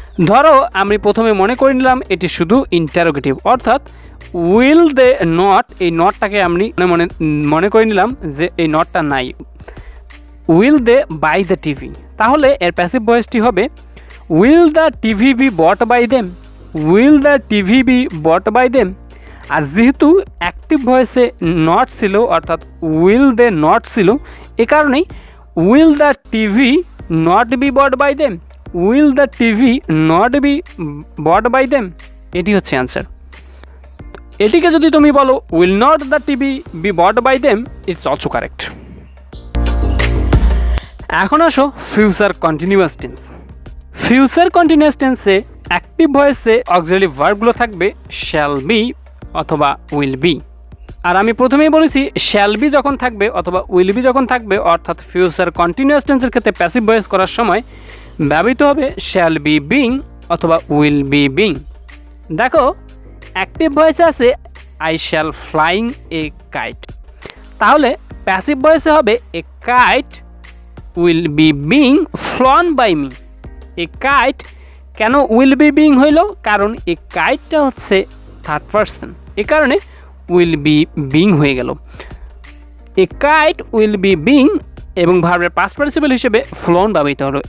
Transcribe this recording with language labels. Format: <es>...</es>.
<bn>ধরো আমি প্রথমে মনে করে নিলাম এটি শুধু ইন্টারোগেটিভ, অর্থাৎ উইল দে নট, এই নটটাকে আমি মনে করে নিলাম যে এই নটটা নাই, will they by the TV, তাহলে এর প্যাসিভ ভয়েসটি হবে</bn> <en>will the TV be bought by them,</en> <bn>will the TV be bought by them. আর যেহেতু অ্যাক্টিভ ভয়েসে নট ছিল, অর্থাৎ উইল দে নট ছিল, এ কারণেই</bn> <en>Will the TV not be bought by them? Will the TV not be bought by them?</en> <bn>এটি হচ্ছে answer. এটিকে যদি তুমি বলো</bn> <en>will not the TV be bought by them, it's also correct.</en> <bn>এখন আসো future continuous tense। Future continuous tense এ active voice এ auxiliary verbগুলো থাকবে shall be অথবা will be। আর আমি প্রথমেই বলেছি shall be যখন থাকবে অথবা will be যখন থাকবে অর্থাৎ future continuous tense এর ক্ষেত্রে passive voice করার সময় ব্যবহৃত হবে shall be being অথবা will be being। দেখো active voice আছে</bn> <en>I shall flying a kite,</en> <bn>তাহলে passive voice হবে</bn> <en>a kite will be being flown by me।</en> <bn>A kite কেন will be being হইলো, কারণ a kite হচ্ছে third person, এই কারণে will be being হয়ে গেল।</bn> <en>A kite will be being</en> <bn>এবং ভার্বের past participle হিসেবে flown ব্যবহৃত হলো।</bn>